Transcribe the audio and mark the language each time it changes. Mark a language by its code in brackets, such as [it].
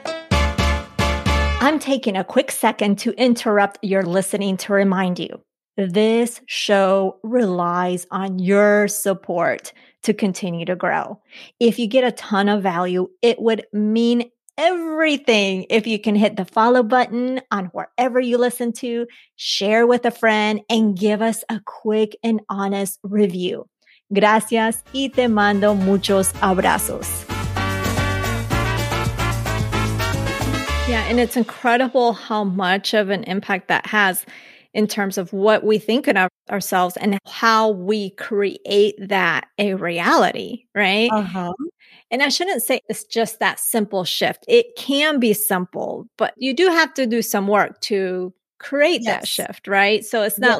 [en] I'm taking a quick second to interrupt your listening to remind you, this show relies on your support to continue to grow. If you get a ton of value, it would mean everything if you can hit the follow button on wherever you listen to, share with a friend, and give us a quick and honest review. [es] Gracias y te mando muchos abrazos. [en] Yeah, and it's incredible how much of an impact that has in terms of what we think of ourselves and how we create that a reality, right? Uh-huh. And I shouldn't say it's just that simple shift. It can be simple, but you do have to do some work to create yes. that shift, right? So it's not yes.